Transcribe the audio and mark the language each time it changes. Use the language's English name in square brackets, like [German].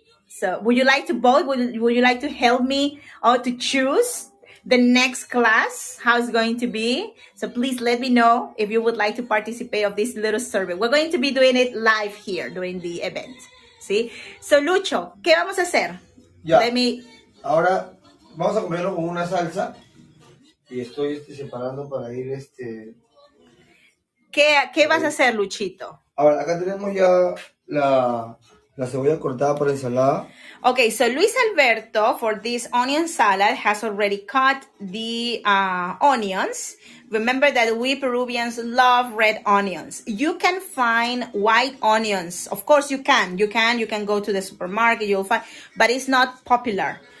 [English] So would you like to vote? Would you like to help me or to choose the next class, how it's going to be? So please let me know if you would like to participate of this little survey. We're going to be doing it live here during the event. See? So [Spanish] Lucho, ¿qué vamos a hacer? [English] Yeah. Let me... [Spanish] Ahora vamos a comerlo con una salsa y estoy separando para ir ¿Qué vas a hacer, Luchito? Ahora, acá tenemos ya la cebolla cortada para ensalada. [English] Okay, so Luis Alberto, for this onion salad, has already cut the onions. Remember that we Peruvians love red onions. You can find white onions. Of course, you can. You can go to the supermarket, you'll find. But it's not popular.